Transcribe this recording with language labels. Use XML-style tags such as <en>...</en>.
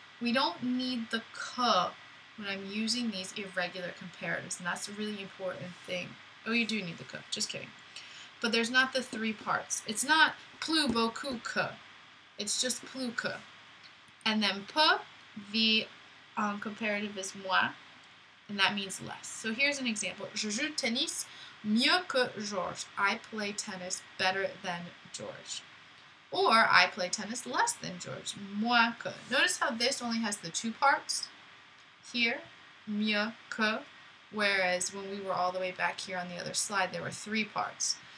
<en>We don't need the que when I'm using these irregular comparatives, and that's a really important thing. Oh, you do need the que, just kidding. But there's not the three parts. It's not plus beaucoup que. It's just plus que. And then peu, the comparative is moins, and that means less. So here's an example.</en> <fr>Je joue tennis mieux que Georges.</fr> <en>I play tennis better than Georges. Or I play tennis less than Georges. Moins que. Notice how this only has the two parts here, mieux que, whereas when we were all the way back here on the other slide, there were three parts.</en>